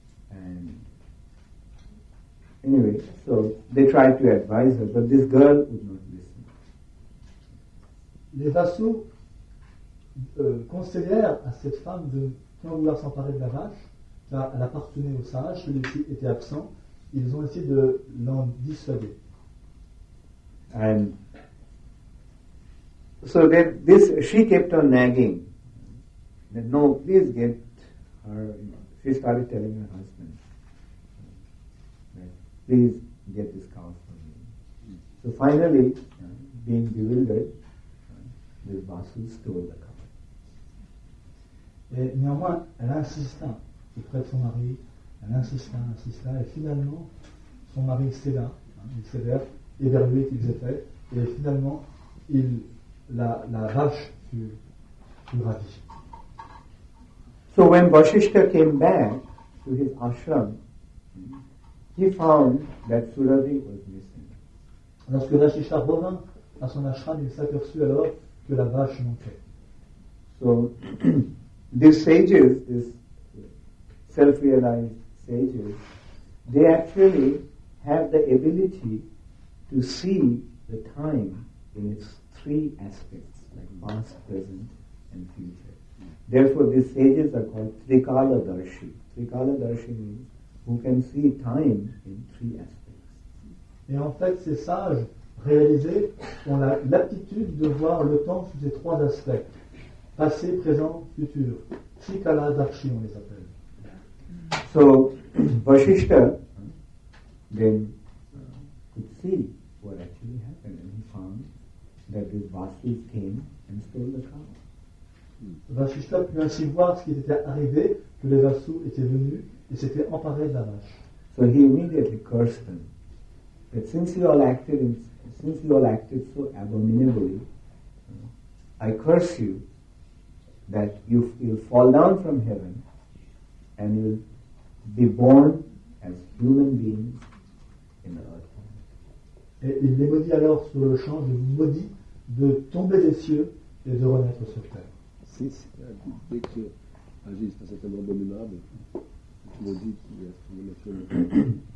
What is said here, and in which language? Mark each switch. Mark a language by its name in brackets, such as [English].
[English] And anyway, so they tried to advise her, but this girl would not listen. [French] Les vassaux conseillèrent à cette femme de ne vouloir s'emparer de la vache, car elle appartenait au sage, celui-ci était absent. Ils ont essayé de l'en dissuader. [English] And so then this, she kept on nagging. That no, please get her. She started telling her husband, please get this cow for me. So finally, being bewildered, the Vasu stole the cow. [French] Et néanmoins, elle insista auprès de son mari. Elle insista, et finalement, son mari céda, il cédèrent, éberlués qu'ils étaient, et finalement, la vache fut ravie. [English] So when Vasishtha came back to his ashram, he found that Surabhi was missing. [French] Lorsque Vasishtha revint à son ashram, il s'aperçut alors que la vache manquait. [English] So these sages, these self-realized sages, they actually have the ability to see the time in its three aspects, like past, present, and future. Therefore, these sages are called Trikala Darshi. Trikala Darshi means who can see time in three aspects. [French] Et en fait, ces sages réalisés ont l'aptitude de voir le temps sous ces trois aspects. Passé, présent, futur. Trikala Darshi, on les appelle. [English] So, Vasishtha then could see what actually happened, and he found that these Vasis came and stole the cow. [French] Vasishtha put ainsi voir ce qui était arrivé, que les Vasus étaient venus et s'étaient emparés de la vache. [English] So he immediately cursed them. That since you all acted so abominably, I curse you that you'll fall down from heaven and you'll be born as human beings in the earth. [French] Et il les maudit alors sur le champ, je vous maudis de tomber des cieux et de renaître sur terre. Si, dès que agisse par cet homme abominable, tu maudis qu'il y a ce que vous le